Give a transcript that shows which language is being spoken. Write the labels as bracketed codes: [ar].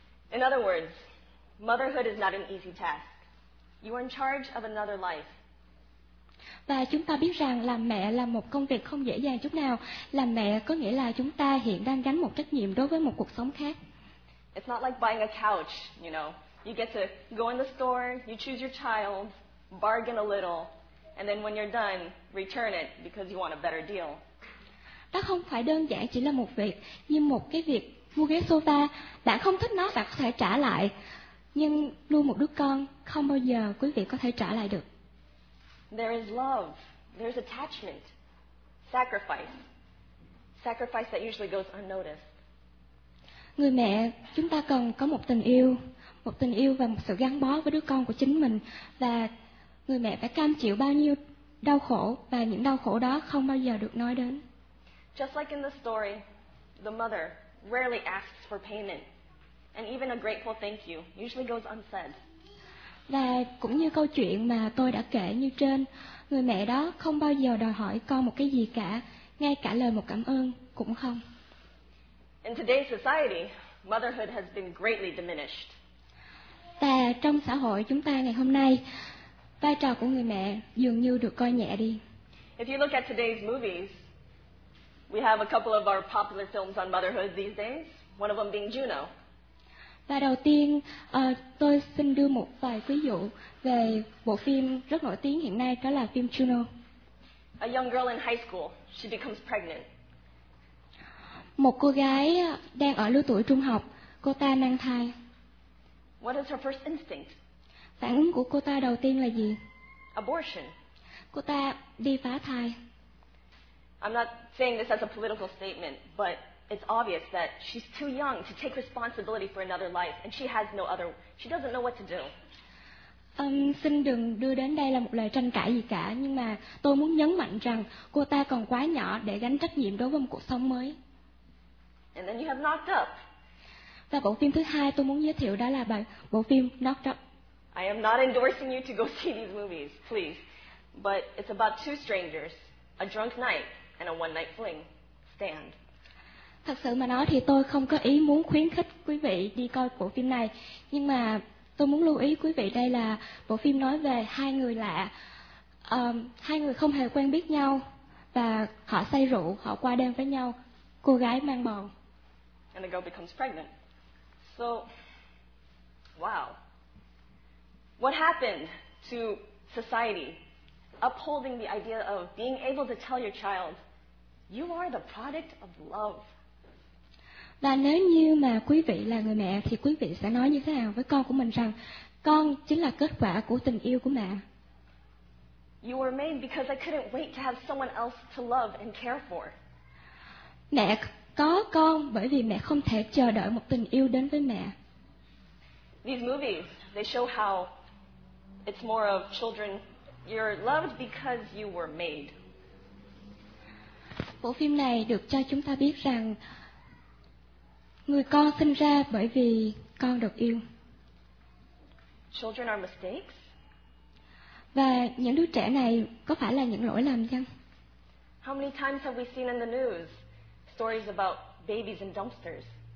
[en] In other words, motherhood is not an easy task. You are in charge of another life. [vi] Và chúng ta biết rằng làm mẹ là một công việc không dễ dàng chút nào. Làm mẹ có nghĩa là chúng ta hiện đang gánh một trách nhiệm đối với một cuộc sống khác. [en] It's not like buying a couch, you know. You get to go in the store, you choose your child, bargain a little, and then when you're done, return it because you want a better deal. [vi] Đó không phải đơn giản chỉ là một việc, như một cái việc mua ghế sofa. Bạn không thích nó, bạn có thể trả lại. Nhưng nuôi một đứa con, không bao giờ quý vị có thể trả lại được. [en] There is love. There's attachment. Sacrifice. Sacrifice that usually goes unnoticed. [vi] Người mẹ, chúng ta cần có một tình yêu và một sự gắn bó với đứa con của chính mình. Và người mẹ phải cam chịu bao nhiêu đau khổ và những đau khổ đó không bao giờ được nói đến. [en] Just like in the story, the mother rarely asks for payment. And even a grateful thank you usually goes unsaid. [vi] Và cũng như câu chuyện mà tôi đã kể như trên, người mẹ đó không bao giờ đòi hỏi con một cái gì cả, ngay cả lời một cảm ơn cũng không. [en] In today's society, motherhood has been greatly diminished. [vi] Và trong xã hội chúng ta ngày hôm nay, vai trò của người mẹ dường như được coi nhẹ đi. [en] If you look at today's movies, we have a couple of our popular films on motherhood these days, one of them being Juno. [vi] Và đầu tiên, tôi xin đưa một vài ví dụ về bộ phim rất nổi tiếng hiện nay, đó là phim Juno. [en] A young girl in high school, she becomes pregnant. [vi] Một cô gái đang ở lứa tuổi trung học, cô ta mang thai. [en] What is her first instinct? [vi] Phản ứng của cô ta đầu tiên là gì? [en] Abortion. [vi] Cô ta đi phá thai. [en] I'm not saying this as a political statement, but it's obvious that she's too young to take responsibility for another life, and she has no other. She doesn't know what to do. [vi] Xin đừng đưa đến đây là một lời tranh cãi gì cả, nhưng mà tôi muốn nhấn mạnh rằng cô ta còn quá nhỏ để gánh trách nhiệm đối với một cuộc sống mới. [en] And then you have Knocked Up. [vi] Và bộ phim thứ hai tôi muốn giới thiệu đó là bộ phim Knocked Up. [en] I am not endorsing you to go see these movies, please. But it's about two strangers, a drunk night and a one-night fling. Stand. [vi] Thật sự mà nói thì tôi không có ý muốn khuyến khích quý vị đi coi bộ phim này, nhưng mà tôi muốn lưu ý quý vị đây là bộ phim nói về hai người lạ, hai người không hề quen biết nhau và họ say rượu, họ qua đêm với nhau, cô gái mang bầu. [en] And the girl becomes pregnant. So, wow. What happened to society upholding the idea of being able to tell your child, you are the product of love? [vi] Và nếu như mà quý vị là người mẹ thì quý vị sẽ nói như thế nào với con của mình rằng con chính là kết quả của tình yêu của mẹ? [en] You were made because I couldn't wait to have someone else to love and care for. [vi] Mẹ có con bởi vì mẹ không thể chờ đợi một tình yêu đến với mẹ. [en] These movies, they show how it's more of children, you're loved because you were made. [vi] Bộ phim này được cho chúng ta biết rằng người con sinh ra bởi vì con được yêu. [en] Children are mistakes. [vi] Và những đứa trẻ này có phải là những lỗi lầm chăng? [en] How many times have we seen in the news stories about babies in dumpsters?